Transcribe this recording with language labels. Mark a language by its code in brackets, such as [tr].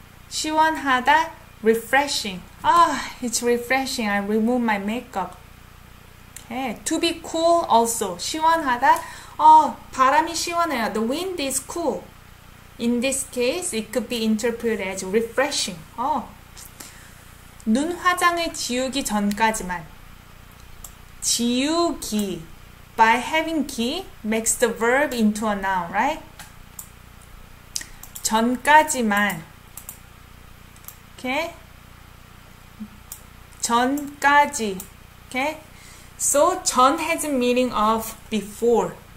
[en] 시원하다? Refreshing. Ah, it's refreshing. I remove my makeup. Okay. To be cool also. 시원하다? Oh, [ko] 바람이 시원해요. [en] The wind is cool. In this case, it could be interpreted as refreshing. Oh. [ko] 눈 화장을 지우기 전까지만. 지우기. [en] By having 기 makes the verb into a noun, right? [ko] 전까지만. Okay? [en] 전까지, okay? So, 전 has a meaning of before.